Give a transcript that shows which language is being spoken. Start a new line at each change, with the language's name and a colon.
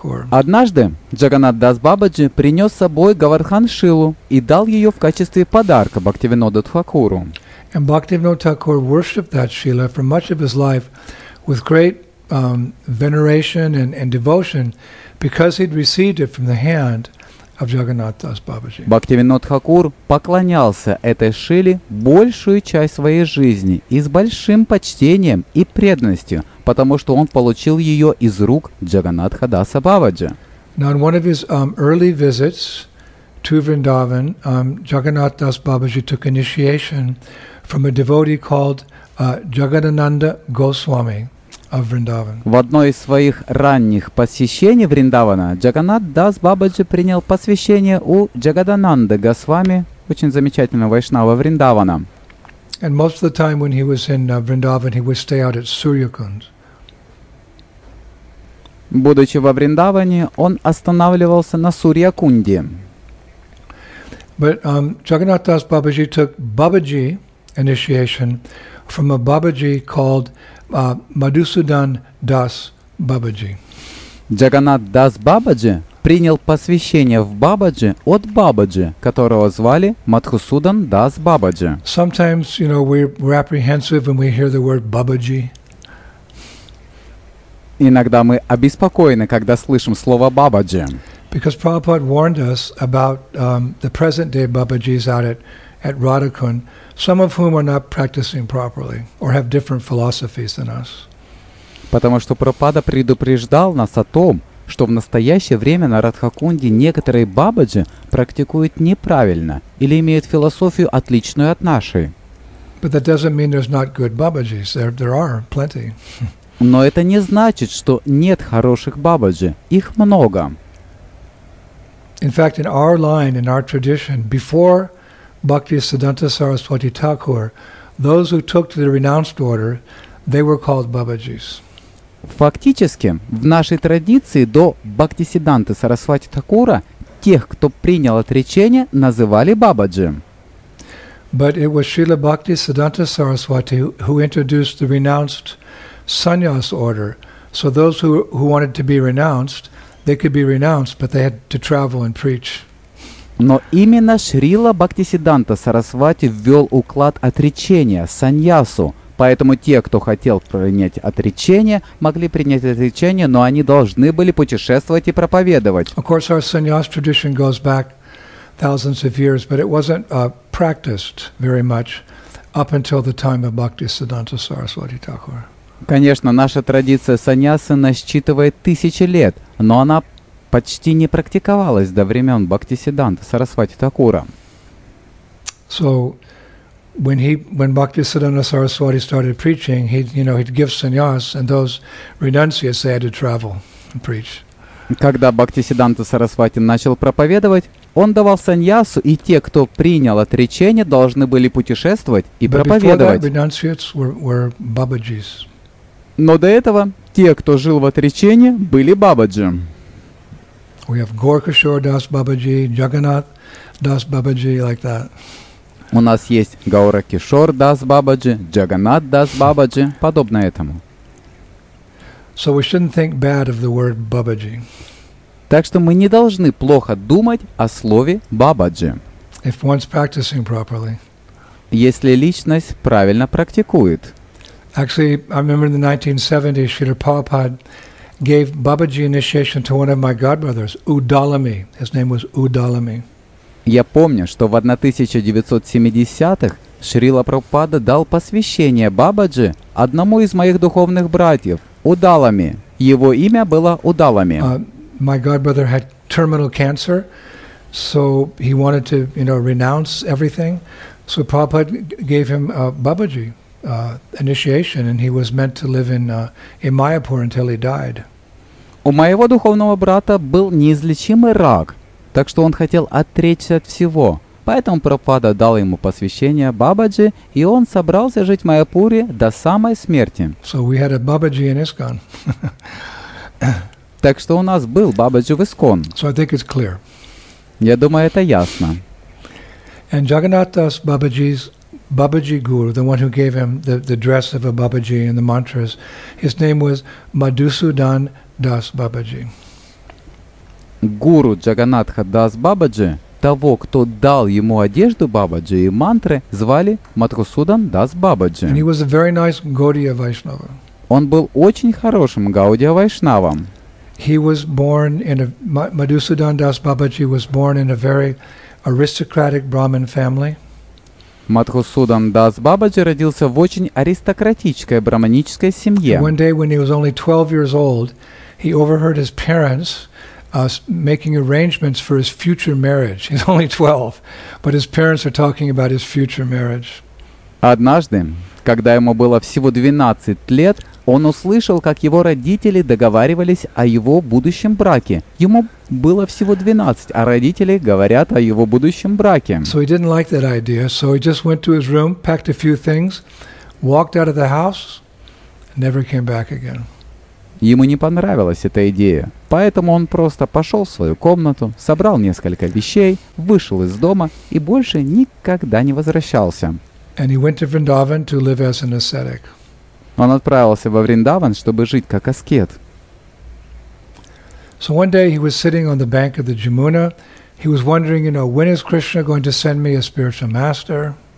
Russian: Однажды Джаганнат Дас Бабаджи принес с собой Говардхан Шилу и дал ее в качестве подарка Бхактивиноду Тхакуру.
English: And Bhaktivinoda Thakur worshipped that Shila for much of his life with great veneration and devotion because he'd received it from the hand of Jagannath Das Babaji.
Russian: Бхактивинод Тхакур поклонялся этой Шиле большую часть своей жизни и с большим почтением и преданностью, потому что он получил ее из рук Джаганнатха Даса Бабаджи.
English: Now, on one of his early visits to Vrindavan, Jagannath Das Babaji took initiation from a devotee called Jagadananda Goswami of Vrindavan.
Russian: В одной из своих ранних посещений Вриндавана Джаганнат Дас Бабаджи принял посвящение у Джагадананды Госвами, очень замечательного вайшнава Вриндавана.
English: And most of the time when he was in Vrindavan, he would stay out at Suryakund.
Russian: Будучи во Вриндаване, он останавливался на Сурьякунде.
English: But Jagannath Das Babaji took Babaji initiation from a Babaji called Madhusudan Das Babaji.
Russian: Jagannath Das Babaji принял посвящение в Бабаджи от Бабаджи, которого звали Мадхусудан Дас Бабаджи.
English: Sometimes, you know, we're apprehensive when we hear the word Бабаджи.
Russian: иногда мы обеспокоены, когда слышим слово Бабаджи.
English: Because Prabhupada warned us about the present-day Babaji's out at Radhakund, some of whom are not practicing properly or have different philosophies than us.
Russian: Потому что Прабхупада предупреждал нас о том, что в настоящее время на Радхакунде некоторые бабаджи практикуют неправильно или имеют философию, отличную от нашей.
English: But that doesn't mean there's not good babajis. There are plenty.
Russian: Но это не значит, что нет хороших бабаджи. Их много.
English: In fact, in our line, in our tradition, before Bhakti Siddhanta Saraswati Thakur, those who took to the renounced order, they were called babajis.
Russian: Фактически, в нашей традиции до Бхактисиддханты Сарасвати Такура тех, кто принял отречение, называли Бабаджи.
English: But it was Srila Bhakti Siddhanta Saraswati who introduced the renounced sannyas order. So those who wanted to be renounced, they could be renounced, but they had to travel and preach.
Russian: Но именно Шрила Бхактисиддханта Сарасвати ввел уклад отречения саньясу. Поэтому те, кто хотел принять отречение, могли принять отречение, но они должны были путешествовать и проповедовать.
English: Of course, our sannyas tradition goes back thousands of years, but it wasn't practiced very much up until the time of Bhaktisiddhanta Saraswati Thakur.
Russian: Конечно, наша традиция саньясы насчитывает тысячи лет, но она почти не практиковалась до времен Бхактисиддханты Сарасвати Такура.
English: So, When Bhaktisiddhanta Saraswati started preaching, he'd give sannyas, and those renunciates they had to travel and preach.
Russian: Когда Бхактисиддханта Сарасвати начал проповедовать, он давал саньясу, и те, кто принял отречение, должны были путешествовать и проповедовать.
English: But before that, renunciates were babajis.
Russian: Но до этого те, кто жил в отречении, были бабаджи.
English: We have Gorkhashor Das Babaji, Jagannath Das Babaji, like that.
Russian: У нас есть Гаура-Кишор Дас Бабаджи, Джаганнат Дас Бабаджи, подобное этому.
English: So we shouldn't think bad of the word Бабаджи.
Russian: Так что мы не должны плохо думать о слове Бабаджи.
English: If one's practicing properly.
Russian: Если личность правильно практикует.
English: Actually, I remember in the 1970s, Srila Prabhupada gave Бабаджи initiation to one of my godbrothers, Udalami. His name was Udalami.
Russian: Я помню, что в 1970-х Шрила Прабхупада дал посвящение Бабаджи одному из моих духовных братьев, Удалами. Его имя было Удалами.
English: My godbrother had terminal cancer, so he wanted to, you know, renounce everything. So Prabhupada gave him Бабаджи initiation, and he was meant to live in Mayapur until he died.
Russian: У моего духовного брата был неизлечимый рак. Так что он хотел отречься от всего. Поэтому Прабхупада дал ему посвящение Бабаджи, и он собрался жить в Майяпуре до самой смерти.
English: So we had a Бабаджи in ISKCON.
Russian: Так что у нас был Бабаджи в ИСКОН.
English: So I think it's clear.
Russian: Я думаю, это ясно.
English: And Jagannath Das Babaji's Babaji Guru, the one who gave him the dress of a Babaji and the mantras, his name was Madhusudan Das Babaji.
Russian: Гуру Джаганатха Дас Бабаджи, того, кто дал ему одежду Бабаджи и мантры, звали Мадхусудан Дас Бабаджи.
English: And he was a very nice Gaudiya Vaishnava.
Russian: Он был очень хорошим Гаудия Вайшнавом.
English: He was born in a Madhusudan Das Babaji was born in a very aristocratic Brahmin family.
Russian: Мадхусудан Дас Бабаджи родился в очень аристократической брахманической семье.
English: One day when he was only 12 years old, he overheard his parents making arrangements for his future marriage. He's only 12, but his parents are talking about his future marriage.
Russian: Однажды, когда ему было всего 12 лет, он услышал, как его родители договаривались о его будущем браке. Ему было всего 12, а родители говорят о его будущем браке.
English: So he didn't like that idea, so he just went to his room, packed a few things, walked out of the house, and never came back again.
Russian: Ему не понравилась эта идея, поэтому он просто пошел в свою комнату, собрал несколько вещей, вышел из дома и больше никогда не возвращался.
English: And he went to Vrindavan to live as an ascetic.
Russian: Он отправился во Вриндаван, чтобы жить как аскет.
English: So one day he was sitting on the bank of the Jamuna. He was wondering, you know, when is Krishna going to send me a spiritual master?